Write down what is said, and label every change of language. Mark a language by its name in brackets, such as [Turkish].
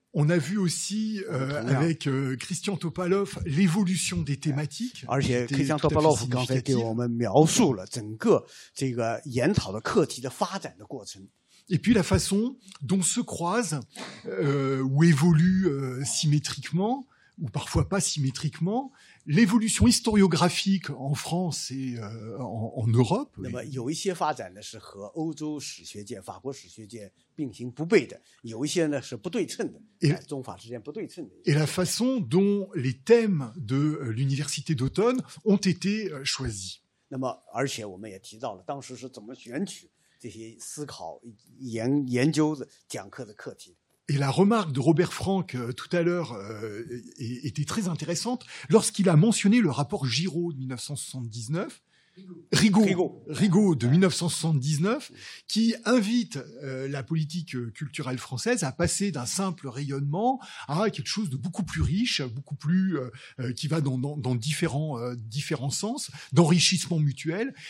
[French] On a vu aussi avec Christian Topalov l'évolution des thématiques. [Chinese] 而且 Christian Topalov 刚才给我们描述了整个这个研讨的课题的发展的过程。 [French] Et puis la façon dont se croisent ou évoluent symétriquement ou parfois pas symétriquement l'évolution historiographique en France et en Europe. Oui. [Chinese] 那么有一些发展呢是和欧洲史学界、法国史学界并行不悖的，有一些呢是不对称的，中法之间不对称的。 [French] Et la façon dont les thèmes de l'université d'automne ont été choisis. [Chinese] 那么而且我们也提到了当时是怎么选取这些思考研究的讲课的课题。 [French] Et la remarque de Robert Frank tout à l'heure était très intéressante lorsqu'il a mentionné le rapport Giraud de 1979, Rigaud de 1979, qui invite la politique culturelle française à passer d'un simple rayonnement à quelque chose de beaucoup plus riche, beaucoup plus qui va dans différents sens, d'enrichissement mutuel.